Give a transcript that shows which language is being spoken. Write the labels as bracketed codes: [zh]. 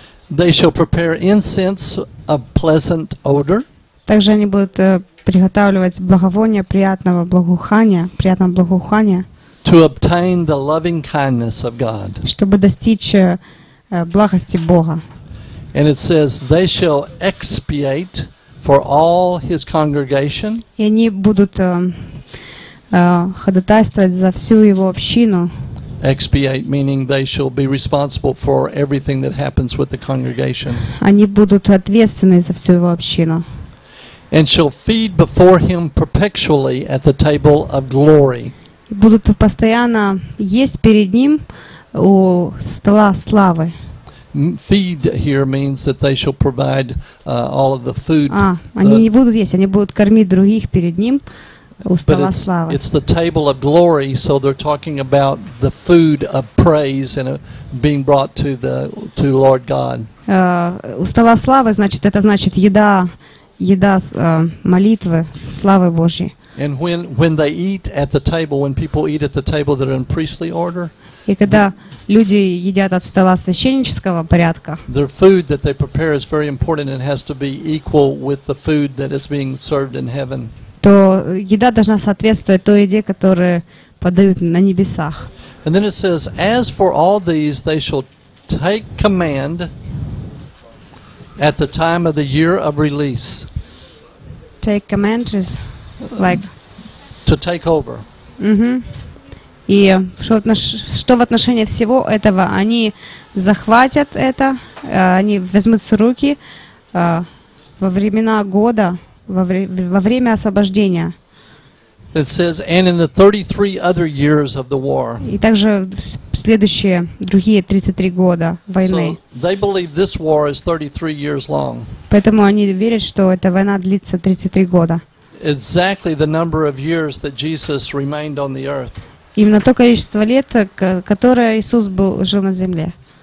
[en] They shall prepare incense of pleasant odor. [ru] Также они будут приготавливать благовония приятного благоухания, приятного благоухания. [en] To obtain the loving kindness of God. [ru] Чтобы достичь благости Бога. [en] And it says they shall expiate for all His congregation. [ru] И они будут ходатайствовать за всю Его общину. [en] Expiate meaning they shall be responsible for everything that happens with the congregation. [ru] Они будут ответственны за всю его общину. [en] And shall feed before him perpetually at the table of glory. [ru] Будут постоянно есть перед ним у стола славы. [en] Feed here means that they shall provide all of the food. [ru] Они не будут есть, они будут кормить других перед ним. [en] But it's the table of glory, so they're talking about the food of praise and being brought to the to Lord God. [ru] У стола славы, значит, это значит еда молитвы, славы Божьей. [en] And when they eat at the table, when people eat at the table that are in priestly order. [ru] И когда люди едят от стола священнического порядка. [en] Their food that they prepare is very important and has to be equal with the food that is being served in heaven. [ru] То еда должна соответствовать той еде, которую подают на небесах. [en] And then it says, as for all these, they shall take command at the time of the year of release. Take command is like... To take over. Mm-hmm. [ru] И что в отношении всего этого, они захватят это, они возьмут с руки во времена года, во время освобождения. [en] It says, and in the 33 other years of the war. [ru] И также следующие другие 33 года войны. [en] So they believe this war is 33 years long. [ru] Поэтому они верят, что эта война длится 33 года. [en] Exactly the number of years that Jesus remained on the earth. [ru] Именно то количество лет, которое Иисус жил на земле.